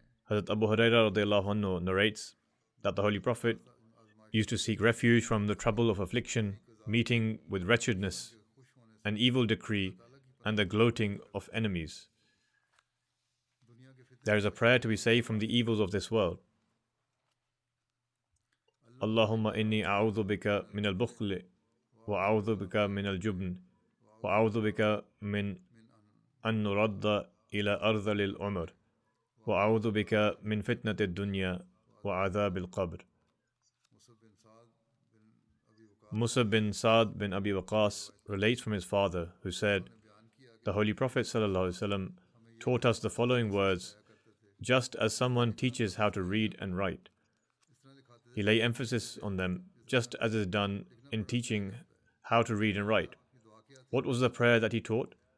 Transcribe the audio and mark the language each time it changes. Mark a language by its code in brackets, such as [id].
[en] Hazrat Abu Huraira radiallahu anhu narrates that the Holy Prophet used to seek refuge from the trouble of affliction, meeting with wretchedness, an evil decree, and the gloating of enemies. There is a prayer to be saved from the evils of this world. [ar] Allahumma inni a'udhu bika min al-bukhli وَأَعُوذُ بِكَ مِنَ الْجُبْنِ وَأَعُوذُ بِكَ مِنْ أَنْ نُرَدَّ إِلَىٰ أَرْذَلِ الْعُمْرِ وَأَعُوذُ بِكَ مِنْ فِتْنَةِ الدُّنْيَا وَعَذَابِ الْقَبْرِ. [en] Musab bin Saad bin Abi Waqas relates from his father, who said, the Holy Prophet ﷺ taught us the following words, just as someone teaches how to read and write. He lay emphasis on them, just as is done in teaching how to read and write. What was the prayer that he taught?